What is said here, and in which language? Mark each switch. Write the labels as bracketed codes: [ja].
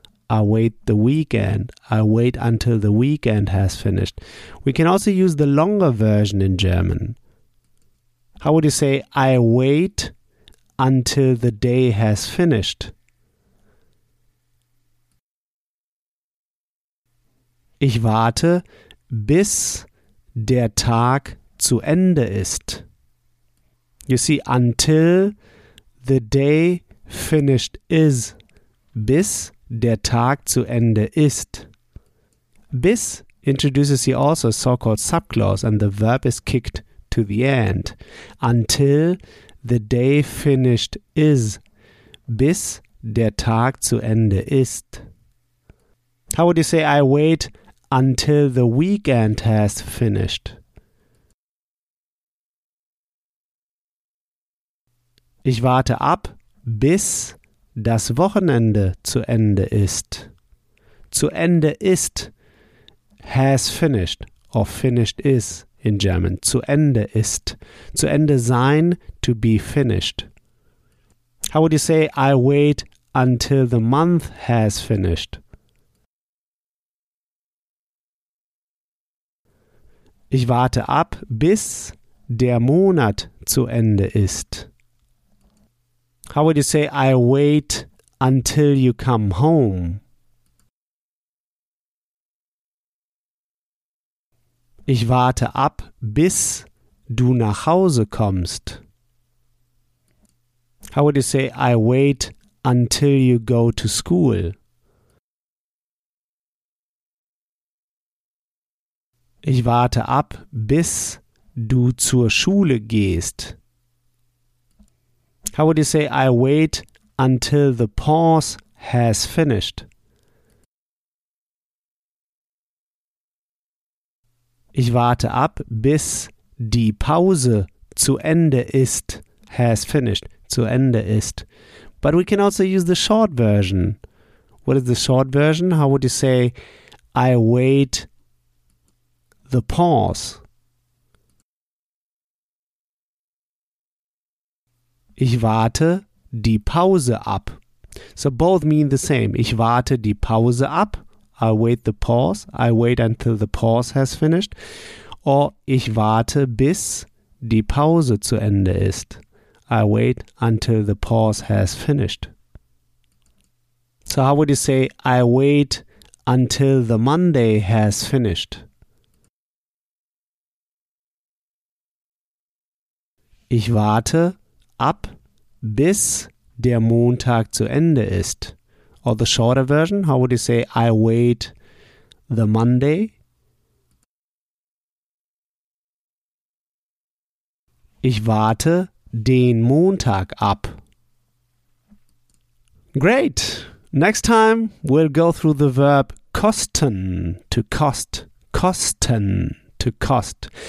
[en] I wait the weekend. I wait until the weekend has finished. We can also use the longer version in German. How would you say, I wait until the day has finished? [de] Ich warte, bis der Tag zu Ende ist. [en] You see, until the day finished is, [de] bis der Tag zu Ende ist. [en] Bis introduces here also a so-called subclause and the verb is kicked to the end. Until the day finished is, [de] bis der Tag zu Ende ist. [en] How would you say I wait until the weekend has finished? [de] Ich warte ab, bis das Wochenende zu Ende ist. Zu Ende ist, [en] has finished, or finished is in German. [de] Zu Ende ist. Zu Ende sein, [en] to be finished. How would you say, I wait until the month has finished? [de] Ich warte ab, bis der Monat zu Ende ist. [en] How would you say, I wait until you come home? [de] Ich warte ab, bis du nach Hause kommst. [en] How would you say, I wait until you go to school. [de] Ich warte ab, bis du zur Schule gehst. [en] How would you say, I wait until the pause has finished? [de] Ich warte ab, bis die Pause zu Ende ist, [en] has finished, [de] zu Ende ist. [en] But we can also use the short version. What is the short version? How would you say, I wait the pause? [de] Ich warte die Pause ab. [en] So both mean the same. [de] Ich warte die Pause ab. [en] I wait the pause. I wait until the pause has finished. [de] Or ich warte, bis die Pause zu Ende ist. [en] I wait until the pause has finished. So how would you say, I wait until the Monday has finished? [de] Ich warte ab, bis der Montag zu Ende ist. [en] Or the shorter version, how would you say, I wait the Monday? [de] Ich warte den Montag ab. [en] Great! Next time, we'll go through the verb kosten, to cost, kosten, to cost.